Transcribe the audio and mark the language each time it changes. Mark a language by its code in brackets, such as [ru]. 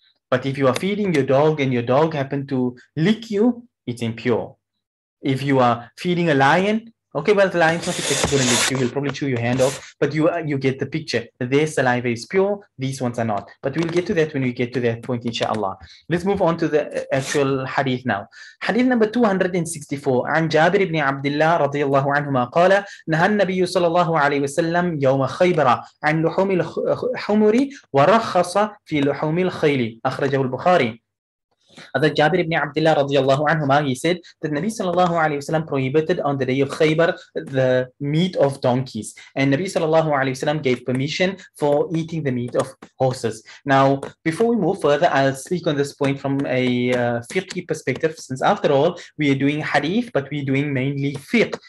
[en] But if you are feeding your dog and your dog happened to lick you, it's impure. If you are feeding a lion, okay, well, the lion's not going to lick you. He'll probably chew your hand off, but you get the picture. Their saliva is pure. These ones are not. But we'll get to that when we get to that point, inshallah. Let's move on to the actual hadith now. Hadith number 264. [ar] عن جابر بن عبد الله رضي الله عنهما قال نهى النبي صلى الله عليه وسلم يوم خيبر عن لحوم الحمر ورخص في لحوم الخيل. أخرجه البخاري. [en] Other Jabir ibn Abdullah radiyallahu anhuma, he said that Nabi sallallahu alayhi wasallam prohibited on the day of Khaybar the meat of donkeys, and Nabi sallallahu alayhi wasallam gave permission for eating the meat of horses. Now, before we move further, I'll speak on this point from a fiqh perspective, since after all, we are doing hadith, but we're doing mainly fiqh.